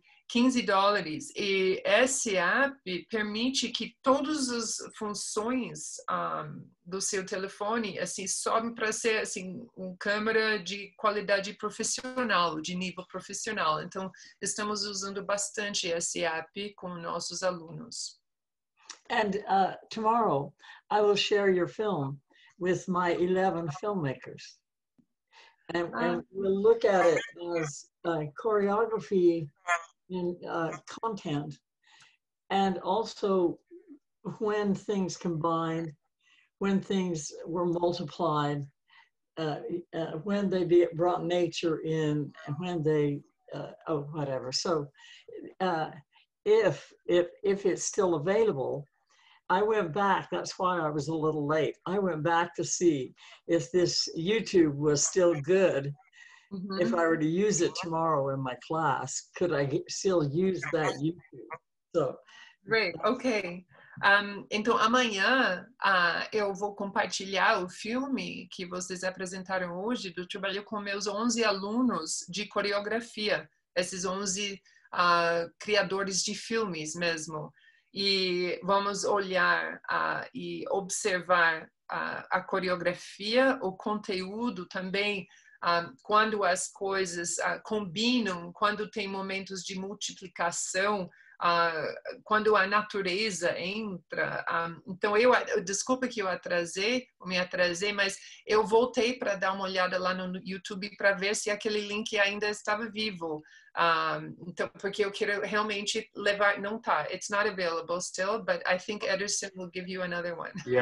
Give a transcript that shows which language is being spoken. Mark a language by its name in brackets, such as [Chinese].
[Portuguese] $15. E esse app permite que todas as funções do seu telefone assim, sobem para ser assim, uma câmera de qualidade profissional, de nível profissional. Então, estamos usando bastante esse app com nossos alunos. [English] And tomorrow, I will share your film with my 11 filmmakers. And we'll look at it as choreography and content, and also when things combined, when things were multiplied, when they brought nature in, when they, whatever. So if it's still available, I went back, that's why I was a little late. I went back to see if this YouTube was still good. Mm-hmm. If I were to use it tomorrow in my class, could I still use that YouTube? So, great, okay. [Portuguese] Então amanhã eu vou compartilhar o filme que vocês apresentaram hoje do trabalho com meus 11 alunos de coreografia, esses 11 criadores de filmes mesmo. E vamos olhar e observar a coreografia, o conteúdo também, quando as coisas combinam, quando tem momentos de multiplicação, quando a natureza entra. Então, desculpa que eu me atrasei, mas eu voltei para dar uma olhada lá no YouTube para ver se aquele link ainda estava vivo. Então, porque eu quero realmente levar... Não tá, [English] it's not available still, but I think Ederson will give you another one.